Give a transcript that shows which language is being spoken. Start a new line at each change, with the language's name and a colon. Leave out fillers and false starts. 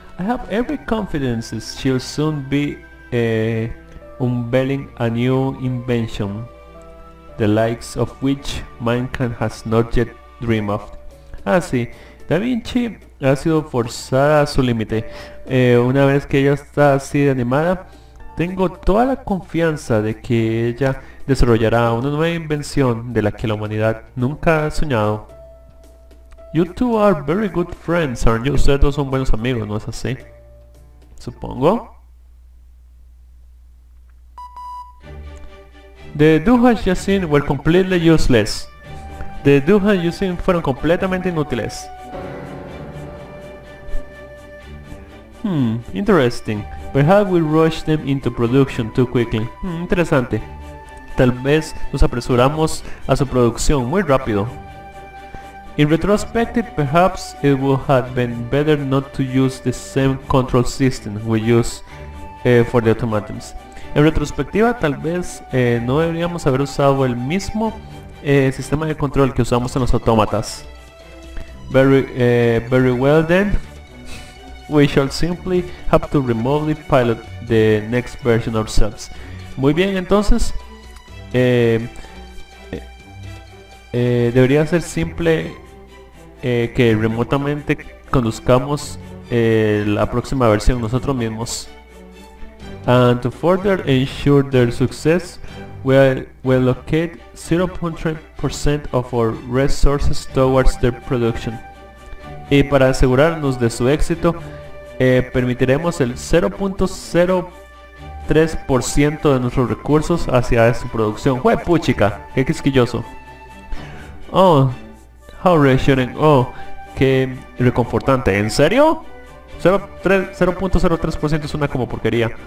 English: I have every confidence she'll soon be unveiling a new invention, the likes of which mankind has not yet dreamed of.
Spanish: Ah, sí. Da Vinci ha sido forzada a su límite. Una vez que ella está así de animada, tengo toda la confianza de que ella desarrollará una nueva invención de la que la humanidad nunca ha soñado.
English: You two are very good friends, aren't you?
Spanish: Ustedes dos son buenos amigos, ¿no es así? Supongo.
English: The doohas you've seen were completely useless. The doohas you've seen
Spanish: fueron completamente inútiles.
English: Interesting. Perhaps we rushed them into production too quickly.
Spanish: Interesante. Tal vez nos apresuramos a su producción muy rápido.
English: In retrospective, perhaps it would have been better not to use the same control system we use for the automatons.
Spanish: En retrospectiva, tal vez no deberíamos haber usado el mismo sistema de control que usamos en los autómatas.
English: Very well then. We shall simply have to remotely pilot the next version ourselves.
Spanish: Muy bien, entonces. Debería ser simple que remotamente conduzcamos la próxima versión nosotros mismos.
English: And to further ensure their success, we'll locate 0.3% of our resources towards their production.
Spanish: Y para asegurarnos de su éxito, permitiremos el 0.03% de nuestros recursos hacia su producción. ¡Jue puchica! ¡Qué quisquilloso!
English: Oh, how reassuring.
Spanish: Oh, qué reconfortante. ¿En serio? 0.03% es una como porquería.